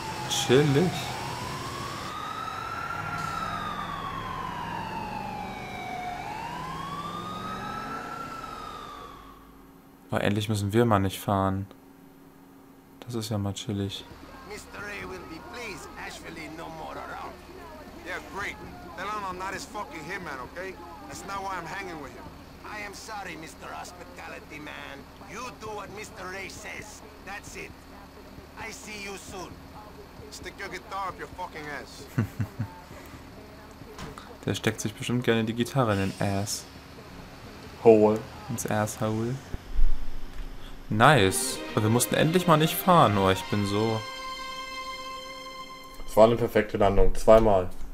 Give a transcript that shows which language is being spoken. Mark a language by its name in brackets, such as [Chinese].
[German] Chillig. Aber endlich müssen wir mal nicht fahren. Das ist ja mal chillig. Mr. [English] A will be pleased, Ashley no more around. Yeah, great. Tell him I'm not his fucking hitman, okay? That's not why I'm hanging with him. I am sorry, Mr. Hospitality Man. You do what Mr. Ray says. That's it. I see you soon. Stick your guitar up your fucking ass. [German] Der steckt sich bestimmt gerne die Gitarre in den Ass. [English] Hole. [German] Ins Asshole. Nice. Aber wir mussten endlich mal nicht fahren, oh, ich bin so. Es war eine perfekte Landung. Zweimal.